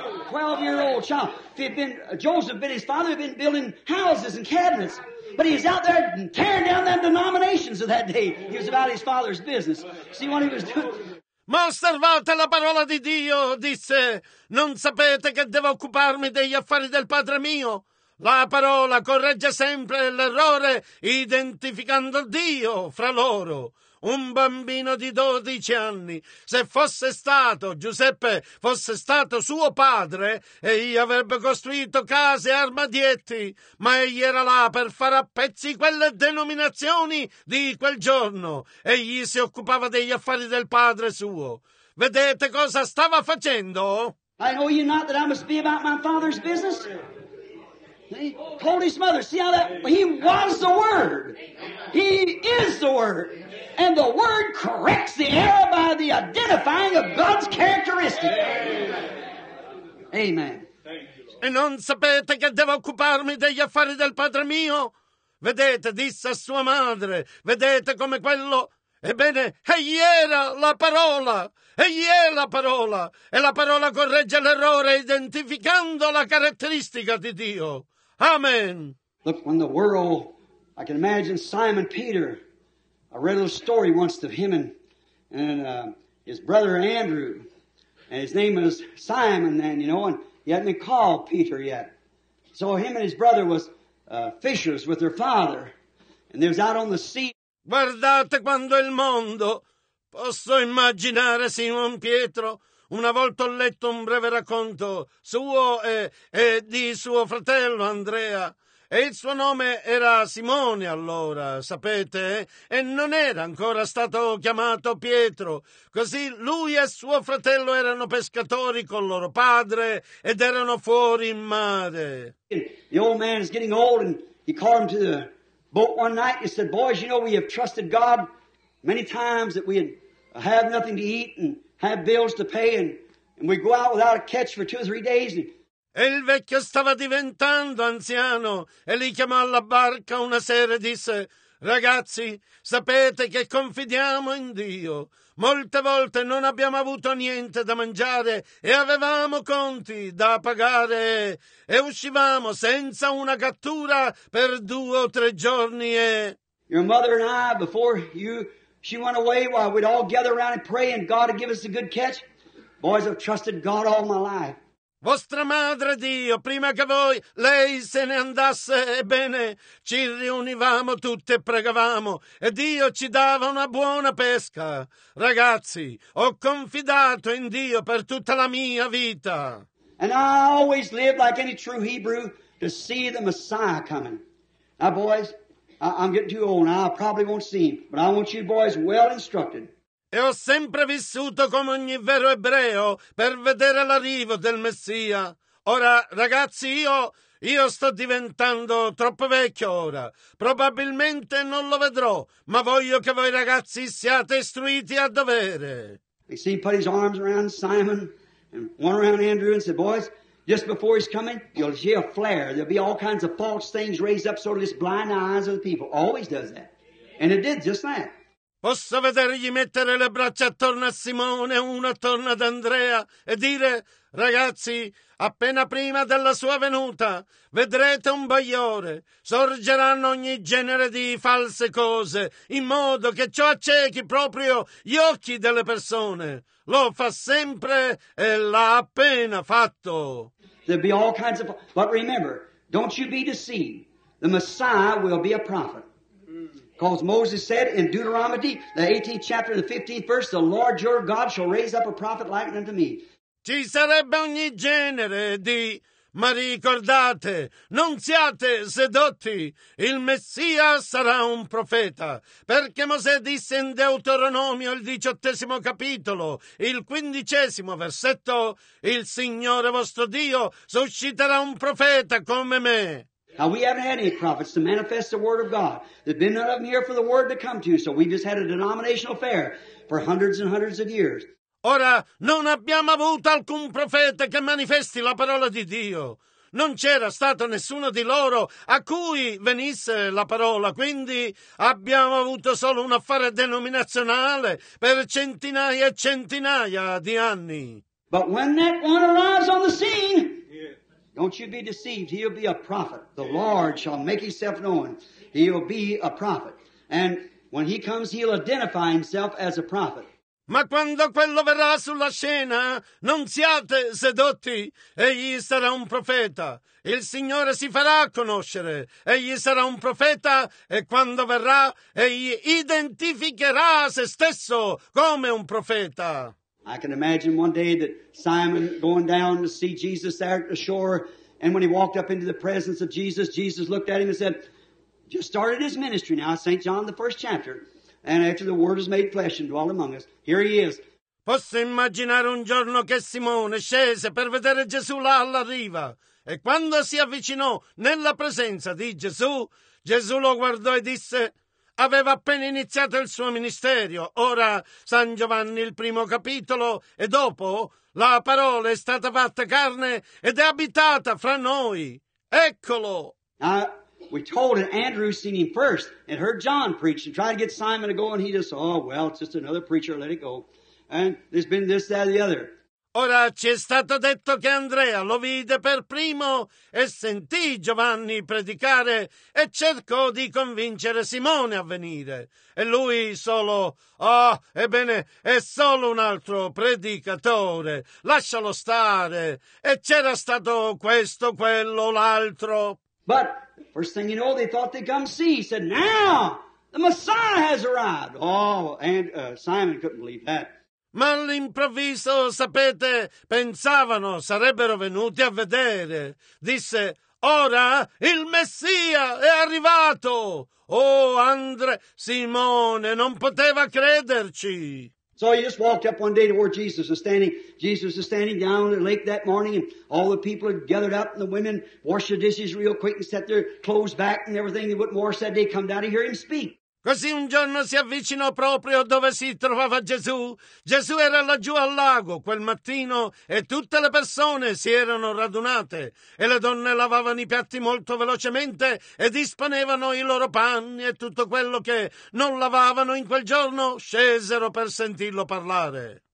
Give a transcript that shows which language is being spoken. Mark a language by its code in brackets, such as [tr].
[en] 12-year-old child. If he'd been, Joseph had been his father, he'd been building houses and cabinets. But he was out there tearing down the denominations of that day. He was about his father's business. See what he was doing? [it] Ma osservate la parola di Dio, disse. Non sapete che devo occuparmi degli affari del padre mio? La parola corregge sempre l'errore identificando Dio fra loro. Un bambino di 12 anni, se fosse stato Giuseppe, fosse stato suo padre, egli avrebbe costruito case e armadietti, ma egli era là per fare a pezzi quelle denominazioni di quel giorno. Egli si occupava degli affari del padre suo. Vedete cosa stava facendo? [en] I know you not that I must be about my father's business? He told his mother, see how that, he was the Word. He is the Word. And the Word corrects the error by the identifying of God's characteristic. Amen. [it] E non sapete che devo occuparmi degli affari del padre mio? Vedete, disse a sua madre, vedete come quello... Ebbene, egli era la parola, egli è la parola. E la parola corregge l'errore identificando la caratteristica di Dio. Amen. [en] Look, when the world, I can imagine Simon Peter, I read a little story once of him and his brother Andrew, and his name was Simon then, you know, and he hadn't been called Peter yet. So him and his brother was fishers with their father, and they was out on the sea. [it] Guardate quando il mondo, Posso immaginare, signor Pietro, una volta ho letto un breve racconto suo e di suo fratello Andrea. E il suo nome era Simone allora, sapete? E non era ancora stato chiamato Pietro. Così lui e suo fratello erano pescatori con loro padre ed erano fuori in mare. [en] The old man is getting old and he called him to the boat one night and said, boys, you know, we have trusted God many times that we have nothing to eat and have bills to pay and we go out without a catch for two or three days and... [it] E il vecchio stava diventando anziano e li chiamò alla barca una sera e disse: ragazzi, sapete che confidiamo in Dio. Molte volte non abbiamo avuto niente da mangiare e avevamo conti da pagare e uscivamo senza una cattura per due o tre giorni e... [en] Your mother and I, before you, she went away while we'd all gather around and pray and God would give us a good catch. Boys, I've trusted God all my life. [it] Vostra madre, Dio, prima che voi, lei se ne andasse, ebbene, ci riunivamo tutti e pregavamo, e Dio ci dava una buona pesca. Ragazzi, ho confidato in Dio per tutta la mia vita. [en] And I always lived like any true Hebrew to see the Messiah coming. Now, boys, I'm getting too old, now I probably won't see him, but I want you boys well instructed. [it] E ho sempre vissuto come ogni vero ebreo per vedere l'arrivo del Messia. Ora, ragazzi, io sto diventando troppo vecchio ora. Probabilmente non lo vedrò, ma voglio che voi ragazzi siate istruiti a dovere. [en] He see, put his arms around Simon and one around Andrew and said, boys, just before he's coming, you'll see a flare. There'll be all kinds of false things raised up sort of this blind eyes of the people. Always does that. And it did just that. [it] Posso vedergli mettere le braccia attorno a Simone, uno attorno ad Andrea, e dire, ragazzi, appena prima della sua venuta, vedrete un bagliore, sorgeranno ogni genere di false cose, in modo che ciò accechi proprio gli occhi delle persone. Lo fa sempre e l'ha appena fatto. [en] There'll be all kinds of... But remember, don't you be deceived. The Messiah will be a prophet. Because Moses said in Deuteronomy, the 18th chapter, the 15th verse, the Lord your God shall raise up a prophet like unto me. [it] Ci sarebbe ogni genere di... Ma ricordate, non siate sedotti, il Messia sarà un profeta. Perché Mosè disse in Deuteronomio, il 18° capitolo, il 15° versetto, il Signore vostro Dio susciterà un profeta come me. [en] Now, we haven't had any prophets to manifest the Word of God. There's been none of them here for the Word to come to, so we've just had a denominational affair for hundreds and hundreds of years. [it] Ora, non abbiamo avuto alcun profeta che manifesti la parola di Dio. Non c'era stato nessuno di loro a cui venisse la parola, quindi abbiamo avuto solo un affare denominazionale per centinaia e centinaia di anni. [en] But when that one arrives on the scene... Don't you be deceived, he'll be a prophet. The Lord shall make himself known. He'll be a prophet. And when he comes, he'll identify himself as a prophet. [it] Ma quando quello verrà sulla scena, non siate sedotti, egli sarà un profeta. Il Signore si farà conoscere, egli sarà un profeta, e quando verrà, egli identificherà se stesso come un profeta. [en] I can imagine one day that Simon going down to see Jesus there at the shore, and when he walked up into the presence of Jesus, Jesus looked at him and said, just started his ministry now, St. John, the first chapter, and after the Word is made flesh and dwelt among us, here he is. [it] Posso immaginare un giorno che Simone scese per vedere Gesù là alla riva, e quando si avvicinò nella presenza di Gesù, Gesù lo guardò e disse... Aveva appena iniziato il suo ministero, ora San Giovanni il primo capitolo, e dopo la parola è stata fatta carne ed è abitata fra noi. Eccolo! [en] We told that Andrew seen him first and heard John preach and tried to get Simon to go and he just, oh well, it's just another preacher, let it go. And there's been this, that, and the other. [it] Ora ci è stato detto che Andrea lo vide per primo e sentì Giovanni predicare e cercò di convincere Simone a venire. E lui solo, oh, ebbene, è solo un altro predicatore, lascialo stare. E c'era stato questo, quello, l'altro. [en] But, first thing you know, they thought they'd come see. He said, now, The Messiah has arrived. Oh, and Simon couldn't believe that. [it] Ma all'improvviso, sapete, pensavano, sarebbero venuti a vedere. Disse, ora il Messia è arrivato. Oh, Andre, Simone, non poteva crederci. [en] So he just walked up one day to where Jesus was standing. Jesus was standing down on the lake that morning, and all the people had gathered up, and the women washed their dishes real quick and set their clothes back and everything. They wouldn't wash that day. Come down to hear him speak. [it] Così un giorno si avvicinò proprio dove si trovava Gesù. Gesù era laggiù al lago quel mattino e tutte le persone si erano radunate e le donne lavavano i piatti molto velocemente e disponevano i loro panni e tutto quello che non lavavano in quel giorno scesero per sentirlo parlare.